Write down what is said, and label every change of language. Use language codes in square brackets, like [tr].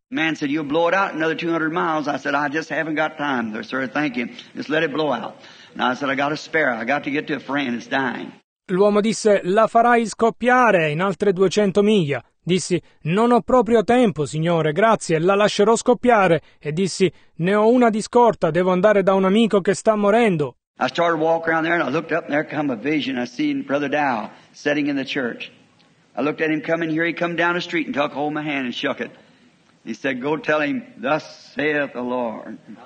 [en] Man said, you'll blow it out another 200 miles. I said, I just haven't got time there, sir, thank you. Just let it blow out. And I said, I got a spare, I got to get to a friend, it's dying. [it] L'uomo disse, la farai scoppiare in altre 200 miglia. Dissi, non ho proprio tempo, signore, grazie, la lascerò scoppiare. E dissi, ne ho una di scorta, devo andare da un amico che sta morendo. [en] I started walking around there and I looked up and there come a vision. I seen Brother Dow sitting in the church. I looked at him coming here, he come down the street and took hold of my hand and shook it. He said, go tell him, thus saith the Lord.